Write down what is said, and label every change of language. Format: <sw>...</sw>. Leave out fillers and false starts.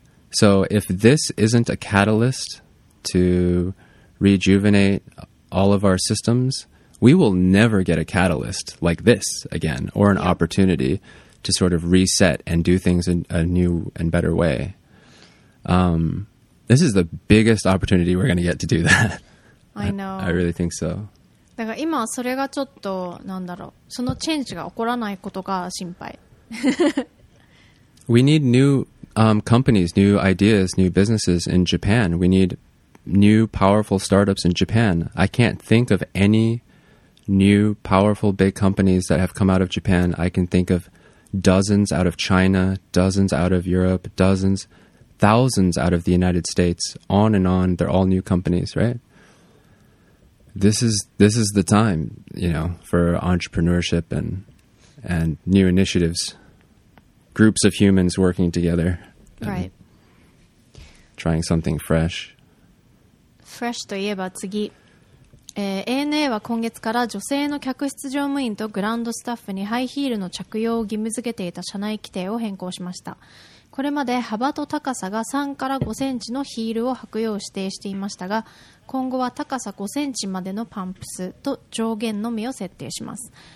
<en>So if this isn't a catalyst to rejuvenate all of our systems, we will never get a catalyst like this again, or an opportunity to sort of reset and do things in a new and better way. This is the biggest opportunity we're going to get to do that. I know. I really think so.</en> <ja>だから今それがちょっとなんだろう。そのチェンジが起こらないことが心配。</ja> <en>We need new companies, new ideas, new businesses in Japan. We need new powerful startups in Japan. I can't think of any new powerful big companies that have come out of Japan. I can think of dozens out of China, dozens out of Europe, dozens, thousands out of the United States, on and on. They're all new companies, right? This is the time, you know, for entrepreneurship and new initiatives, groups of humans working together. Right. Trying something fresh.</en> <ja>Fresh といえば次、ANA は今月から女性の客室乗務員とグランドスタッフにハイヒールの着用を義務付けていた社内規定を変更しました。これまで幅と高さが3から5センチのヒールを履くよう指定していましたが、今後は高さ5センチまでのパンプスと上限のみを設定します。</ja>